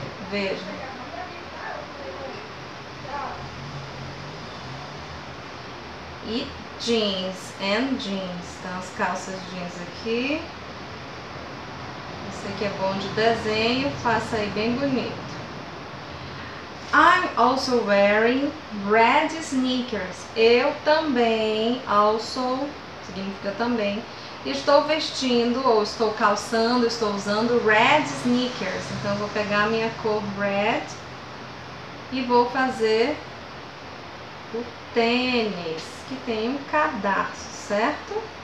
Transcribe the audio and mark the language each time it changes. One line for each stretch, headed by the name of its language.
Portuguese: Veja. E jeans and jeans. Então as calças jeans aqui. Esse aqui é bom de desenho, faça aí bem bonito.
English: I'm also wearing red sneakers.
Portuguese: Eu também, also, significa também, estou vestindo ou estou calçando, estou usando
English: red sneakers.
Portuguese: Então, eu vou pegar a minha cor red e vou fazer o tênis, que tem um cadarço, certo?